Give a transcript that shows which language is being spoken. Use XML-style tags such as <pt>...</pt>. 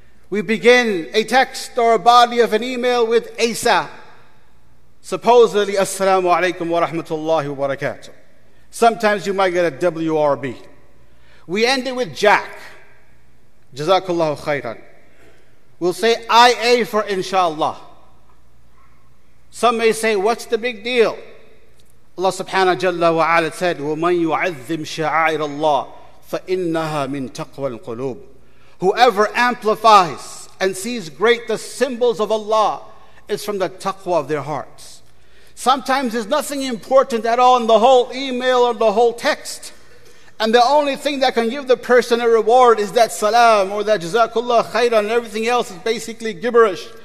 <en>We begin a text or a body of an email with Asa, supposedly, assalamu alaikum wa rahmatullahi wa barakatuh. Sometimes you might get a WRB. We end it with Jack. Jazakallahu khairan. We'll say IA for inshallah. Some may say, what's the big deal? Allah subhanahu jalla wa ala said,</en> <ar>وَمَنْ يُعَذِّمْ شَعَائِرَ اللَّهِ فَإِنَّهَا مِنْ تَقْوَى الْقُلُوبِ.</ar> <en>Whoever amplifies and sees great the symbols of Allah, it's from the taqwa of their hearts. Sometimes there's nothing important at all in the whole email or the whole text. And the only thing that can give the person a reward is that salam or that jazakullah khairan, and everything else is basically gibberish.</en>